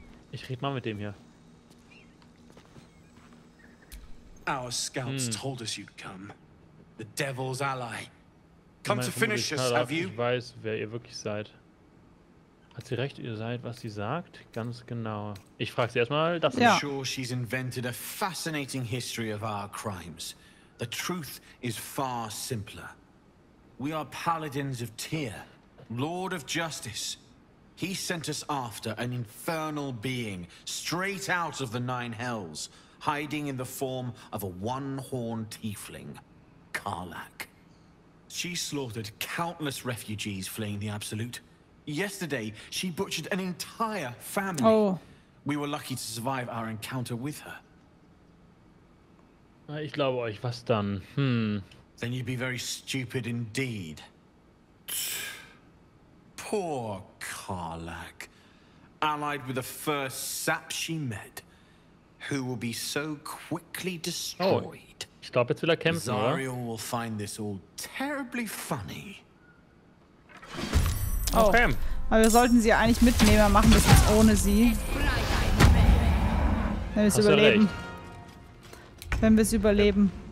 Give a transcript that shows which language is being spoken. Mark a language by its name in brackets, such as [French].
[German] Ich rede mal mit dem hier. [English] Our scouts told us you'd come. The devil's ally. Come to finish us, have you? [German] Ich weiß, wer ihr wirklich seid. Hat sie recht, ihr seid, was sie sagt? Ganz genau. Ich frage sie erstmal, dass [English] sie... I'm sure she's invented a fascinating history of our crimes. The truth is far simpler. We are paladins of Tyr. Lord of Justice. He sent us after an infernal being, straight out of the Nine Hells, hiding in the form of a one-horned tiefling, Karlak. She slaughtered countless refugees fleeing the Absolute. Yesterday, she butchered an entire family. Oh. We were lucky to survive our encounter with her. [German] Ich glaube euch, was dann? Hm. [English] Then you'd be very stupid indeed. Poor Karlak, allied with the first sap she met, who will be so quickly destroyed. [German] Oh, ich glaube, jetzt will er kämpfen, oder? [English] Zariel will find this all terribly funny. Oh, okay. [German] Aber wir sollten sie eigentlich mitnehmen, wir machen das jetzt ohne sie. Wenn wir es überleben. Recht. Wenn wir es überleben.